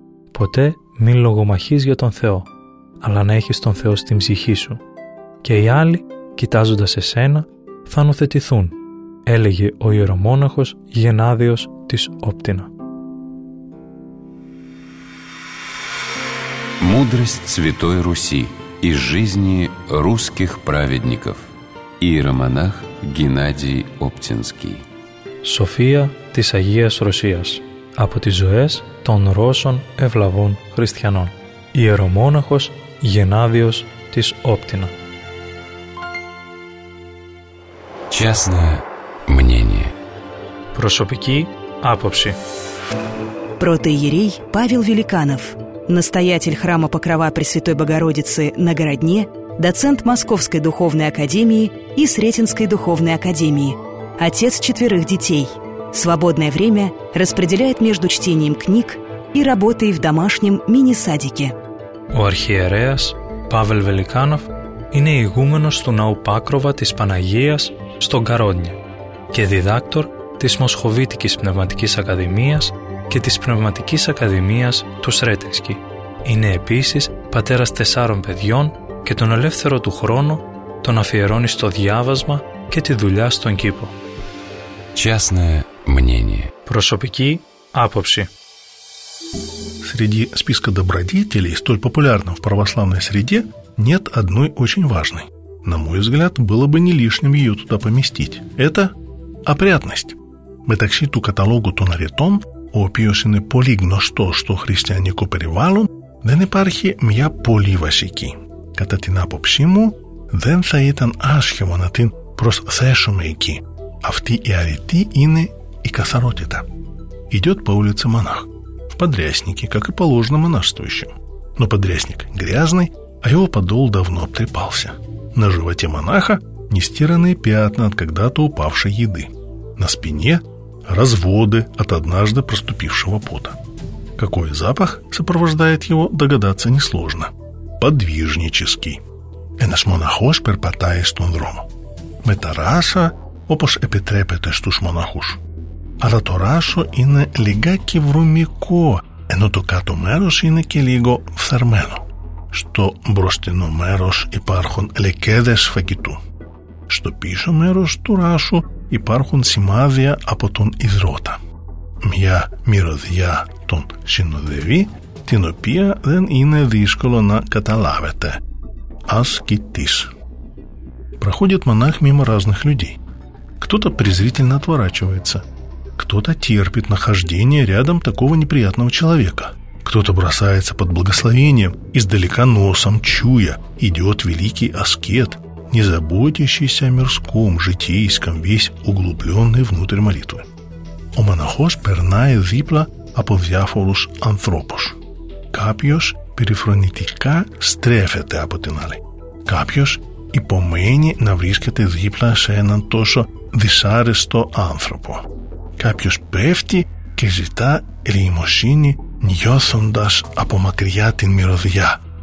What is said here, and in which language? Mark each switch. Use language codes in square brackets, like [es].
[el] Ποτέ μην λογομαχείς για τον Θεό, αλλά να έχεις τον Θεό στην ψυχή σου. Και οι άλλοι, κοιτάζοντας εσένα, θα νουθετηθούν, έλεγε ο ιερομόναχος Γενάδιος της Όπτινα. [ru] Мудрость Святой Руси из жизни русских праведников. Иеромонах Геннадий Оптинский. [el] София της Αγίας Ρωσίας. Από τις ζωές των Ρώσων ευλαβών χριστιανών. Ιερομόναχος Γενάδιος της Όπτινα. [ru] Частное мнение. [el] Προσωπική άποψη. [ru] Протоиерей Павел Великанов. Настоятель храма Покрова Пресвятой Богородицы на Городне, доцент Московской Духовной Академии и Сретенской Духовной Академии, отец четверых детей. Свободное время распределяет между чтением книг и работой в домашнем мини-садике. [el] У архиереас Павел Великанов είναι игуменος του Ναού Πάκροβα της Παναγίας στο Γκαρόντια και διδάκτορ της Μοσχοβίτικης Πνευματικής Ακαδημίας και της Πνευματικής Ακαδημίας του Σρέτενσκι. Είναι επίσης πατέρας τεσσάρων παιδιών και τον ελεύθερο του χρόνο τον αφιερώνει στο διάβασμα και τη δουλειά στον κήπο. [ru] Частное мнение. [el] Προσωπική άποψη. [ru] Среди списка добродетелей, столь популярного в православной среде, нет одной очень важной. На мой взгляд, было бы не лишним ее туда поместить. Это опрятность. [el] Μεταξύ του каталогу των αρετών, ο οποίος είναι πολύ γνωστό στο χριστιανικό περιβάλλον, δεν υπάρχει μια πολύ βασική. Κατά την άποψή μου, δεν θα ήταν άσχημο να την προσθέσουμε εκεί. Αυτή η αρετή είναι η καθαρότητα. [ru] Идет по улице монах. В подряснике, как и положено монашествующим. Но подрясник грязный, а его подол давно обтрепался. На животе монаха нестиранные пятна от когда-то упавшей еды. На спине разводы от однажды проступившего пота. Какой запах сопровождает его, догадаться несложно. Подвижнический. [el] Ένας μοναχός περπατάει στον δρόμο. Με τα ράσα, όπως επιτρέπεται στους μοναχούς. Αλλά το ράσο είναι λιγάκι βρωμικό, ενώ το κάτω μέρος είναι και λίγο φθαρμένο. Στο μπροστινό μέρος υπάρχουν λεκέδες φαγητού. Στο πίσω μέρος του ράσου υπάρχουν σημάδια από τον υδρότα. Μια μυρωδιά τον συνοδεύει, την οποία δεν είναι δύσκολο να καταλάβετε. Ασκητής. [ru] Проходит монах мимо разных людей. Кто-то презрительно отворачивается. Кто-то терпит нахождение рядом такого неприятного человека. Кто-то бросается под благословением, издалека носом чуя, идет великий аскет, не заботящийся о мирском, житейском, весь углубленный внутрь молитвы. [el] Ο μοναχός περνάει δίπλα από διάφορους ανθρώπους. Κάποιος περιφρονητικά στρέφεται από την άλλη. Κάποιος υπομένει να βρίσκεται δίπλα σε έναν τόσο δυσάρεστο άνθρωπο. Κάποιος πέφτει και ζητά ελεημοσύνη νιώθοντας από μακριά την μυρωδιά.